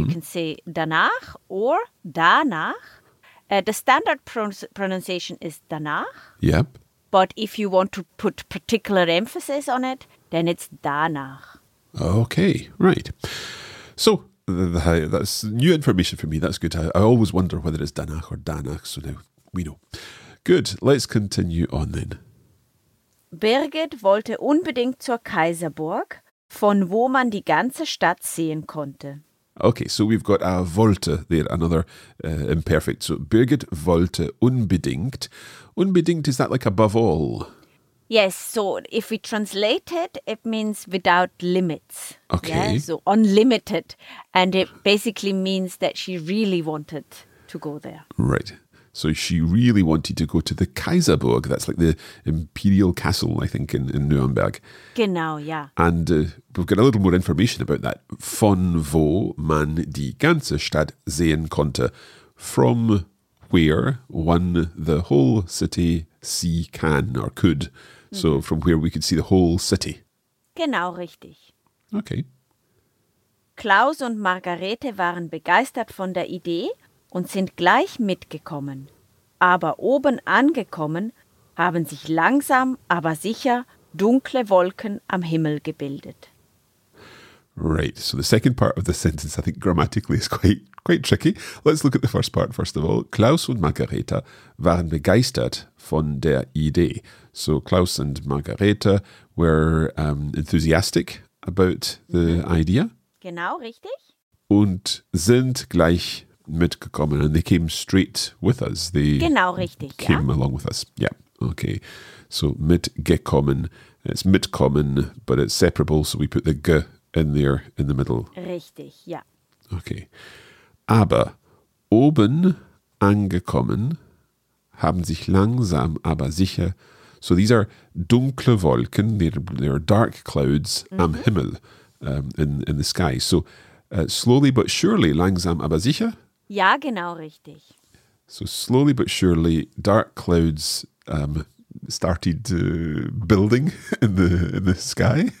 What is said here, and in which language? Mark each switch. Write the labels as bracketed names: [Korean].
[English] You can say danach or danach. The standard pronunciation is danach. Yep. But if you want to put particular emphasis on it, then it's danach. Okay, right. So that's new information for me. That's good. I always wonder whether it's danach or danach. So now we know. Good. Let's continue on then. [German] Birgit wollte unbedingt zur Kaiserburg, von wo man die ganze Stadt sehen konnte. [English] Okay, so we've got a wollte there, another imperfect. So [German] Birgit wollte unbedingt. [English] Unbedingt, is that like above all? Yes, so if we translate it, it means without limits. Okay. Yeah? So unlimited. And it basically means that she really wanted to go there. Right. So she really wanted to go to the Kaiserburg. That's like the imperial castle, I think, in Nuremberg. Genau, yeah. And we've got a little more information about that. [German] Von wo man die ganze Stadt sehen konnte. [English] From where one the whole city see can or could. So mm-hmm. from where we could see the whole city. [German] Genau, richtig. [English] Okay. [German] Klaus und Margarete waren begeistert von der Idee und sind gleich mitgekommen. Aber oben angekommen, haben sich langsam, aber sicher dunkle Wolken am Himmel gebildet. [English] Right, so the second part of the sentence, I think grammatically, is quite tricky. Let's look at the first part first of all. [German] Klaus und Margarete waren begeistert von der Idee. [English] So Klaus and Margarete were enthusiastic about the idea. [German] Genau, richtig. Und sind gleich mitgekommen, [English] and they came straight with us. They [German] genau, richtig, [English] came [German] ja. [English] along with us. Yeah, okay. So mitgekommen, it's mitkommen, but it's separable, so we put the G in there in the middle. [German] Richtig, ja. [English] Okay. [German] Aber oben angekommen, haben sich langsam, aber sicher. [English] So these are [German] dunkle Wolken, [English] they're dark clouds mm-hmm. am Himmel, in the sky. So slowly but surely, [German] langsam, aber sicher. Ja, genau, richtig. [English] So slowly but surely, dark clouds started building in the sky.